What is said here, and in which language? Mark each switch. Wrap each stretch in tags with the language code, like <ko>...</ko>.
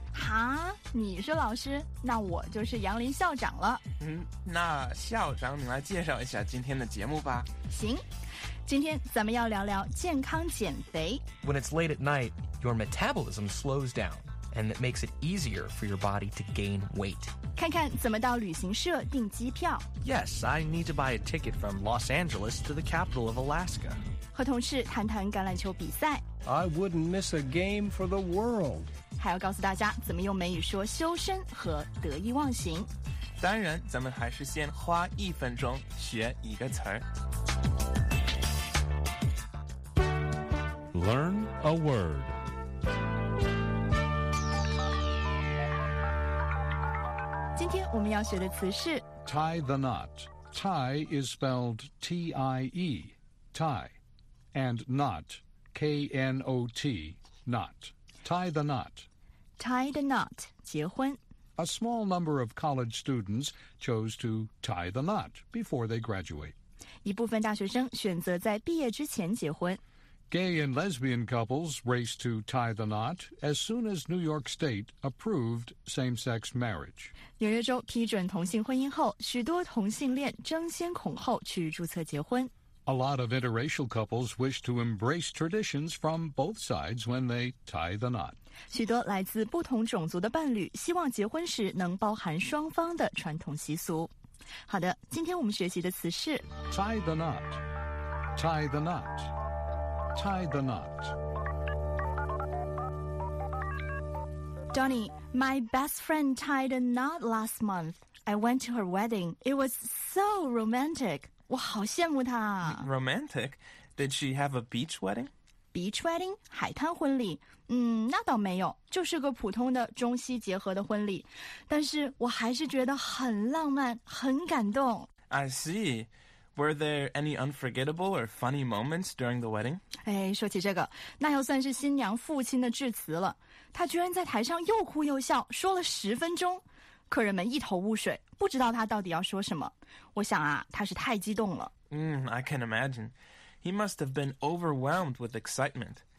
<zh>哈，你是老师，那我就是杨林校长了。那校长你来介绍一下今天的节目吧。行，今天咱们要聊聊健康减肥。</zh> <en>When it's late at night, your metabolism slows down, and it makes it easier for your body to gain weight.</en> <zh>看看怎么到旅行社订机票。</zh> <en>Yes, I need to buy a ticket from Los Angeles to the capital of Alaska.</en> <zh>和同事谈谈橄榄球比赛。</zh> <en>I wouldn't miss a game for the world.</en> <zh>还要告诉大家怎么用美语说修身和得意忘形。当然，咱们还是先花一分钟学一个词儿。</zh> <en>Learn a word.</en> <zh>今天我们要学的词是</zh> <en>tie the knot. Tie is spelled T-I-E, tie, and knot, K-N-O-T, knot. Tie the knot. Tie the knot,</en> <zh>结婚。</zh> <en>A small number of college students chose to tie the knot before they graduate.</en> <zh>一部分大学生选择在毕业之前结婚。</zh> <en>Gay and lesbian couples race to tie the knot as soon as New York State approved same-sex marriage.</en> <zh>纽约州批准同性婚姻后，许多同性恋争先恐后去注册结婚。</zh> <en>A lot of interracial couples wish to embrace traditions from both sides when they tie the knot.</en> <zh>许多来自不同种族的伴侣希望结婚时能包含双方的传统习俗。好的，今天我们学习的词是</zh> <en>tie the knot. Tie the knot. Tie the knot. Donnie, my best friend tied a knot last month. I went to her wedding. It was so romantic.</en> <zh>我好羡慕她。</zh> <en>Romantic? Did she have a beach wedding? Beach wedding?</en> <zh>海滩婚礼？那倒没有，就是个普通的中西结合的婚礼。但是我还是觉得很浪漫，很感动。</zh> <en>I see. Were there any unforgettable or funny moments during the wedding?</en> <zh>哎，说起这个，那又算是新娘父亲的致辞了。他居然在台上又哭又笑，说了十分钟，客人们一头雾水，不知道他到底要说什么。我想啊，他是太激动了。</zh> <en>I can imagine. He must have been overwhelmed with excitement.</en>